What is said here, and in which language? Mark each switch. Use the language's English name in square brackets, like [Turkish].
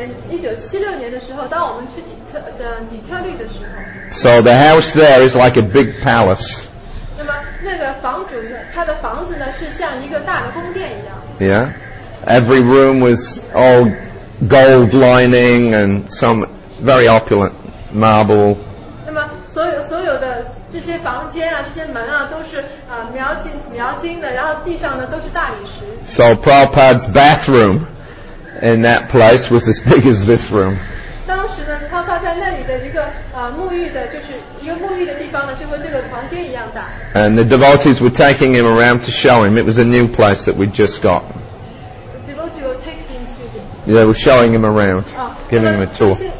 [Chinese] 1976年的时候当我们去底特律的时候 [English] So the house there is like a big palace. [Chinese] 那么那个房主呢，他的房子呢是像一个大的宫殿一样。 [English] Yeah. Every room was all gold lining and some very opulent marble. [Chinese] 那么所有的这些房间啊，这些门啊，都是啊描金的，然后地上呢都是大理石。 [English] So Prabhupada's bathroom in that place was as big as this room. [Chinese] 当时呢，他放在那里的一个啊沐浴的，就是一个沐浴的地方呢，就和这个房间一样大。 [English] And the devotees were taking him around to show him. It was a new place that we'd just got. The devotees were taking him to the. Yeah, they were showing him around, giving him a tour.